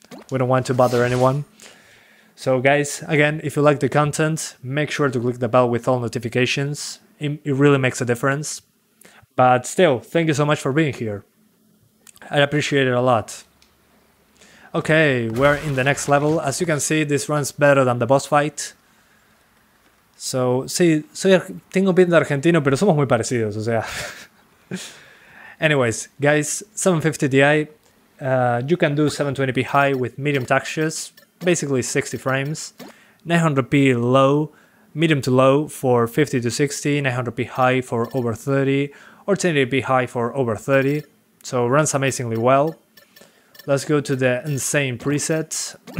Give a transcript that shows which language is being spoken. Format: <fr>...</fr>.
<en>We don't want to bother anyone. So guys, again, if you like the content, make sure to click the bell with all notifications. It really makes a difference. But still, thank you so much for being here. I appreciate it a lot. Okay, we're in the next level. As you can see, this runs better than the boss fight.</en> <es>So, sí, soy tengo pinta de argentino, pero somos muy parecidos, o sea.</es> <en>Anyways, guys, 750 Ti. You can do 720p high with medium textures, basically 60 frames. 900p low, medium to low for 50 to 60. 900p high for over 30. Or 1080p high for over 30. So, runs amazingly well. Let's go to the insane presets.</en>